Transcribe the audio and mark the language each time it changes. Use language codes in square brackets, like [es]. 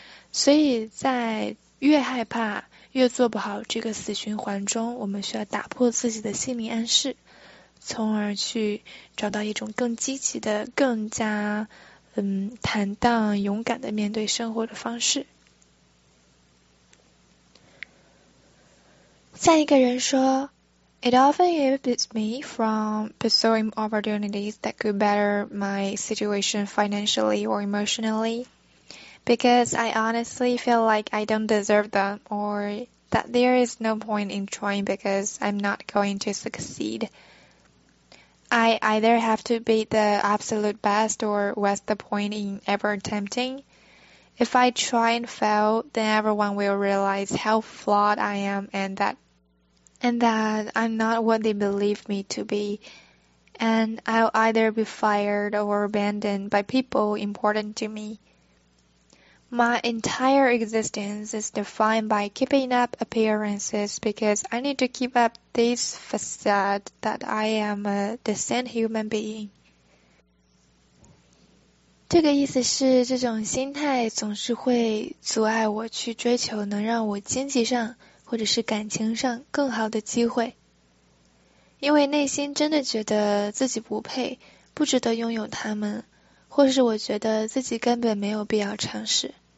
[zh] 所以在越害怕越做不好这个死循环中，我们需要打破自己的心理暗示，从而去找到一种更积极的、更加坦荡勇敢的面对生活的方式。下一个人说， [en] It often inhibits me from pursuing opportunities that could better my situation financially or emotionally because I honestly feel like I don't deserve them or that there is no point in trying because I'm not going to succeed. I either have to be the absolute best or what's the point in ever attempting? If I try and fail, then everyone will realize how flawed I am and that I'm not what they believe me to be. And I'll either be fired or abandoned by people important to me. My entire existence is defined by keeping up appearances because I need to keep up this facade that I am a decent human being. [zh] 这个意思是，这种心态总是会阻碍我去追求能让我经济上或者是感情上更好的机会。因为内心真的觉得自己不配，不值得拥有他们，或是我觉得自己根本没有必要尝试。